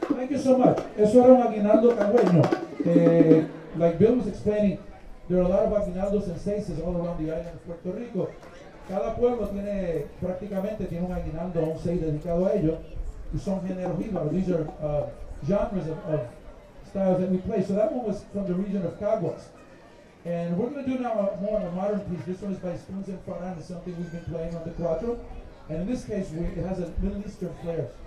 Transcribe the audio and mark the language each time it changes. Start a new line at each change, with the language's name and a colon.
Spanish: Eso era un aguinaldo cangüeño.
English: Like Bill was explaining, there are a lot of aguinaldos and seises all around the island of Puerto Rico.
Spanish: Cada pueblo tiene, prácticamente, tiene un aguinaldo o un seis dedicado a ello. Y son géneros vivos.
English: These are genres of styles that we play. So that one was from the region of Caguas. And we're going to do now more of a modern piece. This one is by Spoons and Faran. It's something we've been playing on the cuatro. And in this case, it has a Middle Eastern flair.